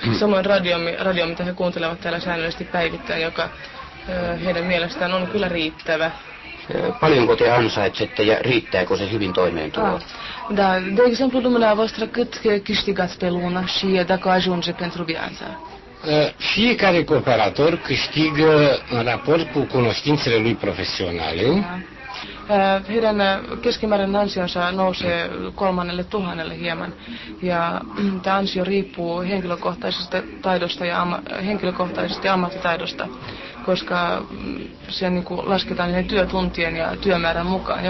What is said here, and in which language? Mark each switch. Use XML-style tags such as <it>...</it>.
<fi>Samoin radio, mitä he kuuntelevat täällä säännöllisesti päivittäin, joka heidän mielestään on kyllä riittävä. Paljonko te ansaitsette ja riittääkö se hyvin toimeentuloa?</fi> <ro>Da, de exemplu, dumneavoastră, cât câștigați pe lună și dacă ajunge pentru viața? Fiecare cooperator câștigă în raport cu cunoștințele lui profesionale.</ro> <fi>Heidän keskimäärin ansionsa nousee 3000 hieman ja tämä ansio riippuu henkilökohtaisesta taidosta ja henkilökohtaisesti ammattitaidosta, koska se niin kuin lasketaan niiden työtuntien ja työmäärän mukaan.</fi>